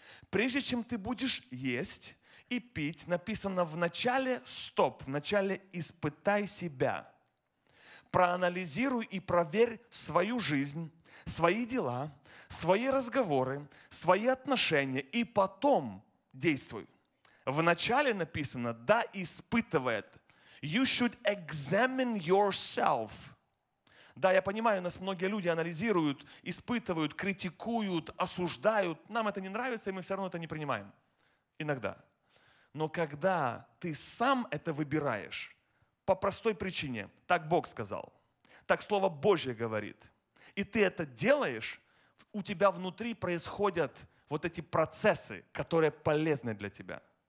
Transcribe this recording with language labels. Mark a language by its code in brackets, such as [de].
[ru] Прежде чем ты будешь есть и пить, написано вначале стоп, вначале испытай себя. Проанализируй и проверь свою жизнь, свои дела, свои разговоры, свои отношения, и потом действуй. Вначале написано «да испытывает». [en] You should examine yourself. [ru] Да, я понимаю, нас многие люди анализируют, испытывают, критикуют, осуждают. Нам это не нравится, и мы все равно это не принимаем. Иногда. Но когда ты сам это выбираешь, по простой причине, так Бог сказал, так Слово Божье говорит, и ты это делаешь, у тебя внутри происходят вот эти процессы, которые полезны для тебя.